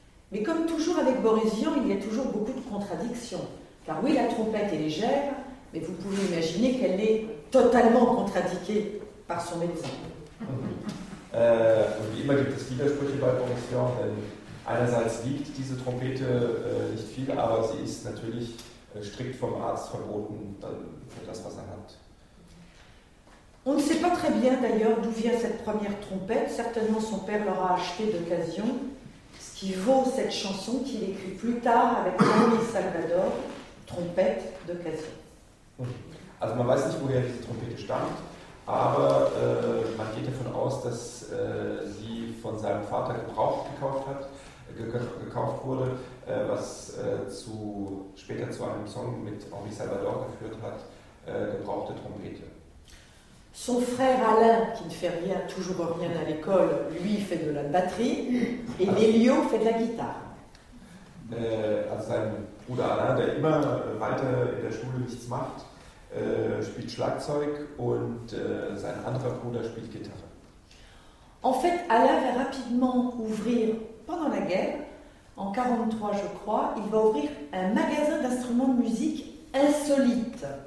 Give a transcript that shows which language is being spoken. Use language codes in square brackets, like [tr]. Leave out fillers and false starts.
[fr] Mais comme toujours avec Boris Vian, il y a toujours beaucoup de contradictions. Car oui, la trompette est légère, mais vous pouvez imaginer qu'elle est totalement contradiqué par son médecin. [de] Und wie immer gibt es Widersprüche bei Boris Vian, denn einerseits liegt diese Trompete nicht viel, aber sie ist natürlich strikt vom Arzt verboten für das, was er hat. [fr] On ne sait pas très bien d'ailleurs d'où vient cette première trompette. Certainement son père l'aura achetée d'occasion, ce qui vaut cette chanson qu'il écrit plus tard avec Henri Salvador, Trompette d'occasion. [de] Also man weiß nicht, woher diese Trompete stammt, aber man geht davon aus, dass sie von seinem Vater gekauft wurde, was später zu einem Song mit Henri Salvador geführt hat, gebrauchte Trompete. [fr] Son frère Alain, qui ne fait rien, toujours rien à l'école, lui fait de la batterie, et Lélio fait de la guitare. [de] Also sein Bruder Alain, der immer weiter in der Schule nichts macht, spielt Schlagzeug und sein anderer Bruder spielt Gitarre. [fr] En fait, Alain va rapidement ouvrir, pendant la guerre, en 43 je crois, il va ouvrir un magasin d'instruments de musique insolite.